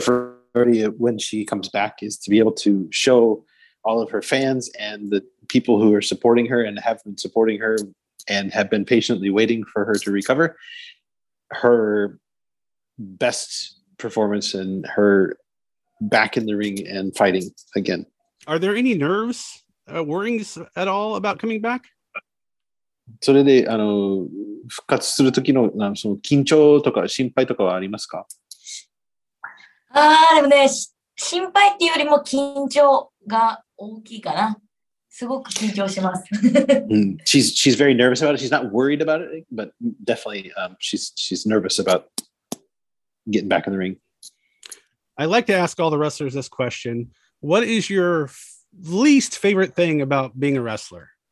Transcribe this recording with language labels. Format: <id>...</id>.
<en>priority when she comes back is to be able to show all of her fans and the people who are supporting her and have been supporting her and have been patiently waiting for her to recover, her best performance and her back in the ring and fighting again. Are there any nerves, worries at all about coming back?</en> <ja>それで復活する時の緊張とか心配とかはありますか? でもね、心配っていうよりも緊張が大きいかな。</ja> <en>She's very nervous about it. She's not worried about it, but definitely she's nervous about getting back in the ring. I like to ask all the wrestlers this question. What is your least favorite thing about being a wrestler?</en>